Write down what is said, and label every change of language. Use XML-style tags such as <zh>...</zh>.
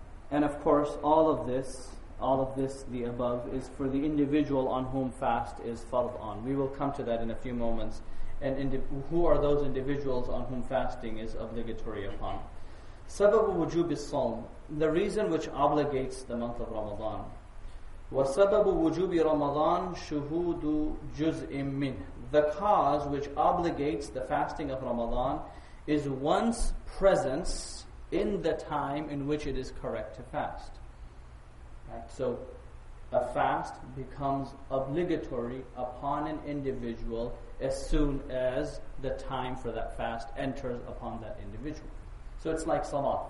<en>And of course, all of this, the above, is for the individual on whom fast is fard on. We will come to that in a few moments. And who are those individuals on whom fasting is obligatory upon? Sabab wujub al-sawm, the reason which obligates the month of Ramadan.</en> <ar>وسبب وجوب رمضان شهود جزء منه.</ar> <en>The cause which obligates the fasting of Ramadan is one's presence in the time in which it is correct to fast. Right? So a fast becomes obligatory upon an individual as soon as the time for that fast enters upon that individual. So it's like Salat.</en>